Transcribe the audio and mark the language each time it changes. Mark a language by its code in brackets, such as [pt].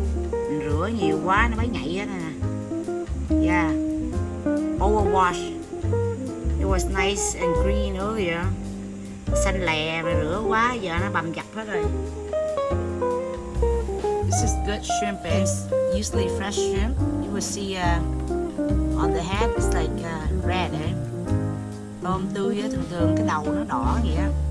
[vi] Mình rửa nhiều quá nó mới nhảy ra nè. [en] Yeah, overwash. It was nice and green earlier. [vi] Xanh lè mà rửa quá giờ nó bầm dập hết rồi. [en] This is good shrimp, it's usually fresh shrimp. You will see on the head, it's like red, eh? [vi] Tôm tươi á, thường thường cái đầu nó đỏ vậy á.